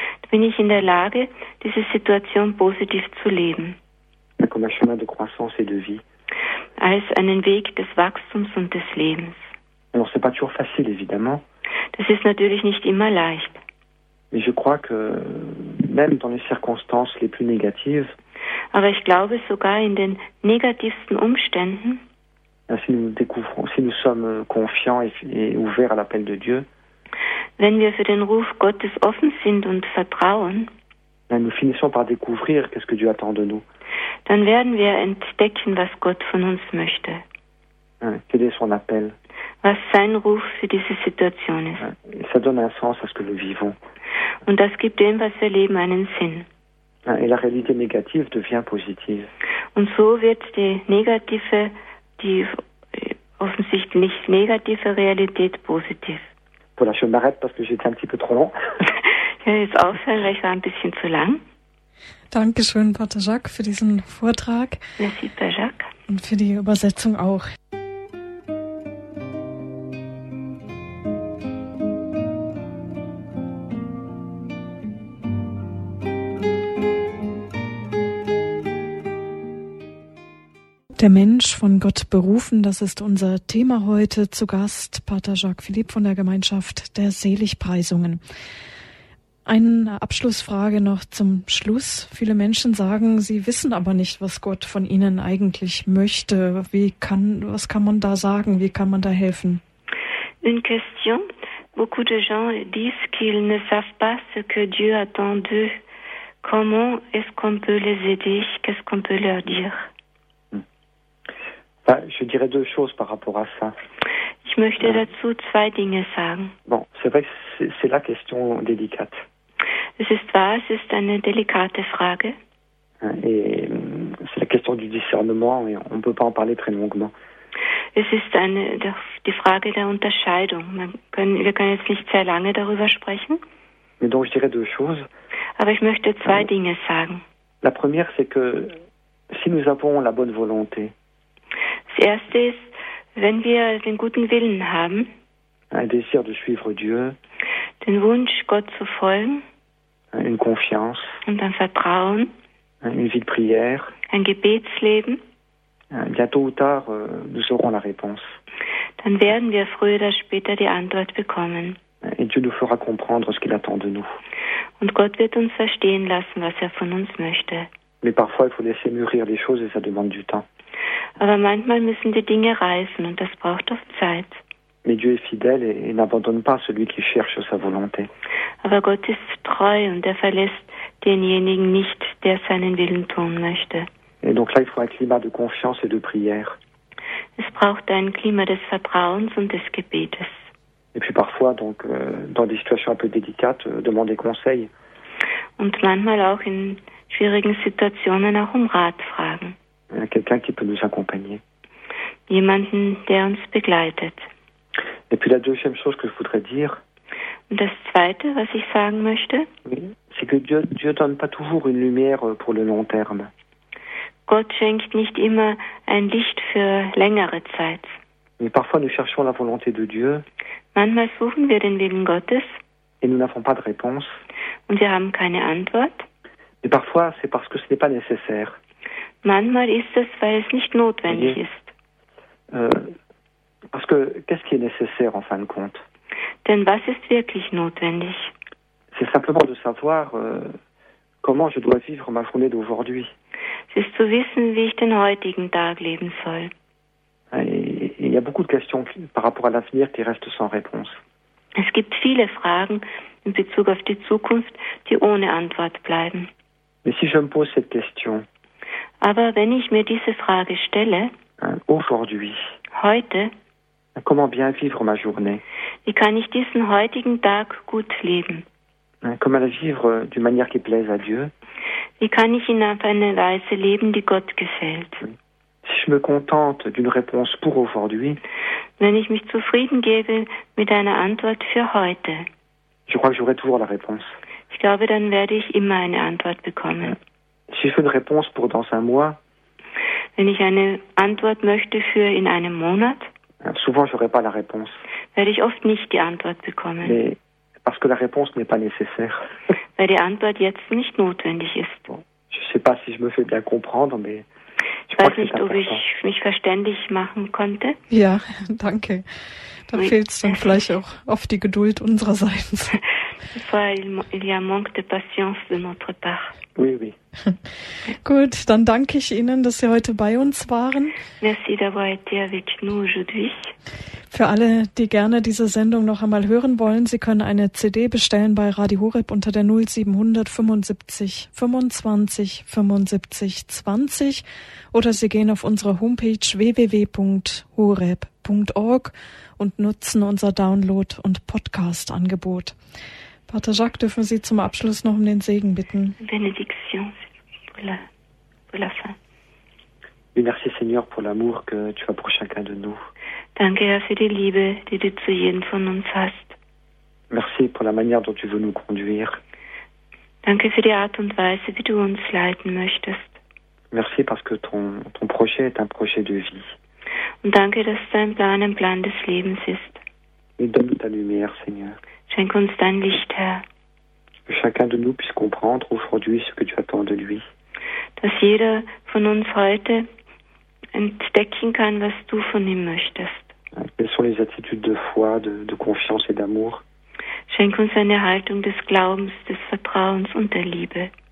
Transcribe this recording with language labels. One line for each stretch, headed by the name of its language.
German: Bin ich in der Lage, diese Situation positiv zu leben.
French: Comme un chemin de croissance et de vie.
German: Als einen Weg des Wachstums und des Lebens.
French: Alors, c'est pas toujours facile, évidemment.
German: Das ist natürlich nicht immer leicht.
French: Mais je crois que même dans les circonstances les plus négatives.
German: Aber ich glaube sogar in den negativsten Umständen.
French: Si nous sommes confiants et ouverts à l'appel de Dieu.
German: Wenn wir für den Ruf Gottes offen sind und vertrauen.
French: Nous finissons par découvrir qu'est-ce que Dieu attend de nous.
German: Dann werden wir entdecken, was Gott von uns möchte.
French: Quel est son appel?
German: Was sein Ruf für diese Situation ist.
French: Ça donne un sens à ce que nous vivons.
German: Und das gibt dem, was wir leben, einen Sinn.
French: Et la réalité négative devient positive.
German: Und so wird die negative, die offensichtlich negative Realität positiv.
French: Voilà, je m'arrête parce que j'étais un petit peu trop long.
German: Ich werde jetzt aufhören, weil ich war ein bisschen zu lang. Dankeschön, Pater Jacques, für diesen Vortrag.
French: Merci, Pater Jacques.
German: Und für die Übersetzung auch. Der Mensch von Gott berufen, das ist unser Thema heute. Zu Gast Pater Jacques Philippe von der Gemeinschaft der Seligpreisungen. Eine Abschlussfrage noch zum Schluss. Viele Menschen sagen, sie wissen aber nicht, was Gott von ihnen eigentlich möchte. Was kann man da sagen? Wie kann man da helfen?
French: Une question. Beaucoup de gens disent qu'ils ne savent pas ce que Dieu attend d'eux. Comment est-ce qu'on peut les aider? Qu'est-ce qu'on peut leur dire? Je dirais deux choses par rapport à ça.
German: Ich möchte dazu zwei Dinge sagen.
French: Bon, c'est vrai que c'est la question délicate.
German: Es ist wahr, es ist eine delikate Frage.
French: Et c'est la question du discernement et on ne peut pas en parler très longuement.
German: Es ist die Frage der Unterscheidung. Wir können jetzt nicht sehr lange darüber sprechen.
French: Mais donc, je dirais deux choses.
German: Aber ich möchte zwei Dinge sagen.
French: La première, c'est que si nous avons la bonne volonté,
German: das Erste ist, wenn wir den guten Willen haben,
French: un désir de suivre Dieu,
German: den Wunsch, Gott zu folgen,
French: une confiance,
German: und ein Vertrauen,
French: une vie de prière,
German: ein Gebetsleben,
French: bientôt ou tard, nous aurons la réponse.
German: Dann werden wir früher oder später die Antwort bekommen.
French: Et Dieu nous fera comprendre ce qu'il attend de nous.
German: Und Gott wird uns verstehen lassen, was von uns möchte.
French: Mais parfois, il faut laisser mûrir les choses et ça demande du temps.
German: Aber manchmal müssen die Dinge reifen und das braucht oft Zeit.
French: Mais Dieu est fidèle et n'abandonne pas celui qui cherche sa volonté.
German: Aber Gott ist treu und verlässt denjenigen nicht, der seinen Willen tun möchte.
French: Et donc là, il faut un climat de confiance et de prière.
German: Es braucht ein Klima des Vertrauens und des Gebetes.
French: Et puis parfois, donc, dans des situations un peu délicates, demander conseil.
German: Und manchmal auch in schwierigen Situationen auch Rat fragen.
French: Quelqu'un qui peut nous accompagner.
German: Jemanden, der uns begleitet.
French: Et puis la deuxième chose que je voudrais dire.
German: Und das Zweite, was ich sagen möchte.
French: C'est que Dieu donne pas toujours une lumière pour le long terme.
German: Gott schenkt nicht immer ein Licht für längere Zeit.
French: Mais parfois nous cherchons la volonté de Dieu.
German: Manchmal suchen wir den Willen Gottes.
French: Et nous n'avons pas de réponse.
German: Und wir haben keine Antwort.
French: Et parfois c'est parce que ce n'est pas nécessaire.
German: Manchmal ist es, weil es nicht notwendig ist.
French: Parce que qu'est-ce qui est nécessaire en fin de compte?
German: Denn was ist wirklich notwendig?
French: C'est simplement de savoir comment je dois vivre ma journée d'aujourd'hui.
German: Es ist zu wissen, wie ich den heutigen Tag leben soll.
French: Il y a beaucoup de questions par rapport à l'avenir qui restent sans réponse.
German: Es gibt viele Fragen in Bezug auf die Zukunft, die ohne Antwort bleiben.
French: Mais si je me pose cette question.
German: Aber wenn ich mir diese Frage stelle,
French: aujourd'hui,
German: heute,
French: comment bien vivre ma journée?
German: Wie kann ich diesen heutigen Tag gut leben?
French: Comment vivre d'une manière qui plaise à Dieu?
German: Wie kann ich ihn auf eine Weise leben, die Gott gefällt?
French: Si je me contente d'une réponse pour aujourd'hui,
German: wenn ich mich zufrieden gebe mit einer Antwort für heute,
French: je crois que j'aurai toujours la réponse.
German: Ich glaube, dann werde ich immer eine Antwort bekommen.
French: Si je veux une réponse pour dans un mois,
German: wenn ich eine Antwort möchte für in einem Monat,
French: souvent je n'aurai pas la réponse.
German: Werde ich oft nicht die Antwort bekommen.
French: Mais parce que la réponse n'est pas nécessaire.
German: Weil die Antwort jetzt nicht notwendig ist.
French: Bon, je ne sais pas si je me fais bien comprendre, mais
German: ich weiß nicht, ob ich mich verständlich machen konnte. Ja, danke. Da fehlt es dann vielleicht auch auf die Geduld unsererseits.
French: Il y a manque de patience de notre part. Oui, oui.
German: Gut, dann danke ich Ihnen, dass Sie heute bei uns waren.
French: Merci d'avoir été avec nous aujourd'hui.
German: Für alle, die gerne diese Sendung noch einmal hören wollen, Sie können eine CD bestellen bei Radio Horeb unter der 0700 75 25 75 20 oder Sie gehen auf unsere Homepage www.horeb.org und nutzen unser Download- und Podcast-Angebot. Pater Jacques, dürfen Sie zum Abschluss noch um den Segen bitten.
French: Bénédiction pour la fin. Oui, merci Seigneur pour l'amour que tu as pour chacun de nous.
German: Danke Herr für die Liebe, die du zu jedem von uns hast.
French: Merci pour la manière dont tu veux nous conduire.
German: Danke für die Art und Weise, wie du uns leiten möchtest.
French: Merci parce que ton projet est un projet de vie.
German: Und danke, dass dein Plan ein Plan des Lebens ist.
French: Et donne-nous ta lumière, Seigneur.
German: Schenk uns dein Licht, Herr.
French: Que chacun de nous puisse comprendre aujourd'hui ce que tu attends de lui.
German: Dass jeder von uns heute entdecken kann, was du von ihm möchtest.
French: Quelles sont les attitudes de foi, de confiance et d'amour?
German: Schenk uns eine Haltung des Glaubens, des Vertrauens und der Liebe.